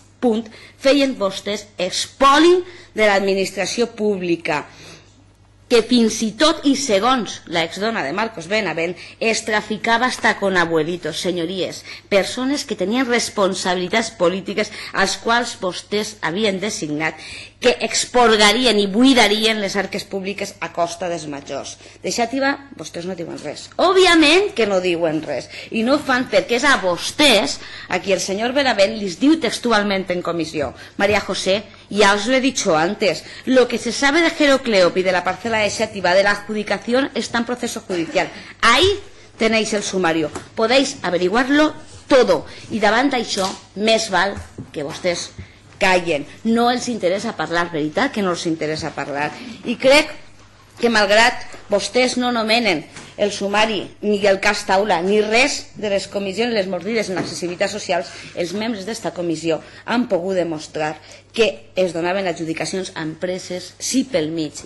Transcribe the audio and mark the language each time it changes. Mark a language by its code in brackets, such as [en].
[ca] punt feien vostès espoli de l'administració pública, que fins i tot, i segons la exdona de Marcos Benavent, es traficava [es] hasta con abuelitos, [ca] senyories, persones que tenien responsabilitats polítiques als quals vostès havien designat, que expurgarien i buidarien les arques públiques a costa dels majors. Deixativa, vostès no diuen res. Òbviament que no diuen res, i no ho fan perquè és a vostès a qui el senyor Benavent li diu textualment en comissió. [es] María José, [ca] ja us ho [es] he dicho antes, lo que se sabe de Jerocleop i de la parcela de Xativa de la adjudicación está en proceso judicial. Ahí tenéis el sumario. Podéis averiguarlo todo. [ca] I davant d'això, més val que vostès callen. No els interessa parlar, veritat que no els interessa parlar. I crec que malgrat vostès no nomenen el sumari, ni el cas Taula, ni res de les comissions, les mordides en accessibilitat social, els membres d'esta comissió han pogut demostrar que es donaven adjudicacions a empreses, sí, pel mig.